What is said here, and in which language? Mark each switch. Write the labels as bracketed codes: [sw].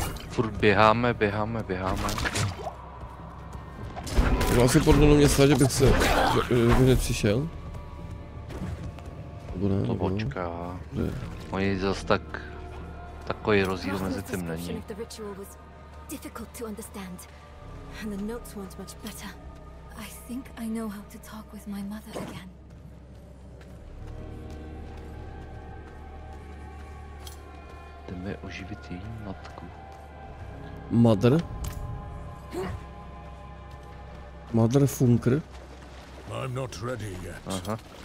[cs] Furt běháme, běháme, běháme. To asi podle mě stále, že bych se, že bych nepřišel. Nebo ne? To počká. Ne. Oni zas tak... Takový rozdíl mezi tím není. [en] The ritual was difficult to understand, and the notes weren't much better. I think I know how to talk with my mother again. [cs] Jdeme oživit její matku. [en] Mother? Mother Funker? I'm not ready yet. Aha.